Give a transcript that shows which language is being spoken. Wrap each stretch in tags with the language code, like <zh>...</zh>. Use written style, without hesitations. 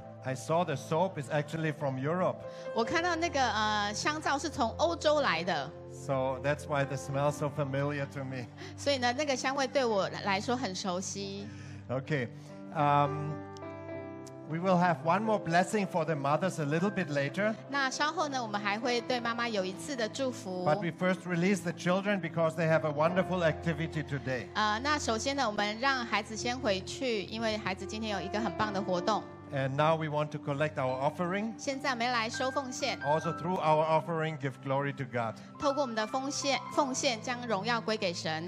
<en>I saw the soap is actually from Europe.</en> <zh>我看到那个香皂是从欧洲来的</zh> <en>So that's why the smell is so familiar to me.</en> <zh>所以呢，那个香味对我来说很熟悉</zh> <en>Okay. We will have one more blessing for the mothers a little bit later.</en> <zh>那稍后呢，我们还会对妈妈有一次的祝福。</zh> <en>But we first release the children because they have a wonderful activity today.</en> <zh>那首先呢，我们让孩子先回去，因为孩子今天有一个很棒的活动。</zh> <en>And now we want to collect our offering.</en> <zh>现在我们来收奉献。</zh> <en>Also through our offering, give glory to God.</en> <zh>透过我们的奉献，将荣耀归给神。</zh>